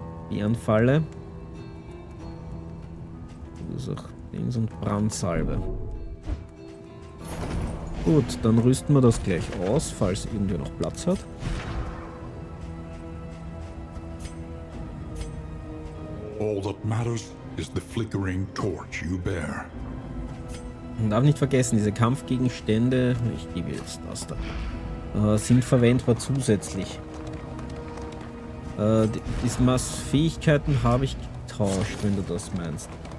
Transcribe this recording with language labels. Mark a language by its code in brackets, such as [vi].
[de] Bärenfalle. Das ist auch Dings und Brandsalbe. Gut, dann rüsten wir das gleich aus, falls irgendwer noch Platz hat. [en] All that matters is the flickering torch you bear. [de] Man darf nicht vergessen, diese Kampfgegenstände, ich gebe jetzt das da, sind verwendbar zusätzlich. Diese Massfähigkeiten habe ich getauscht, wenn du das meinst.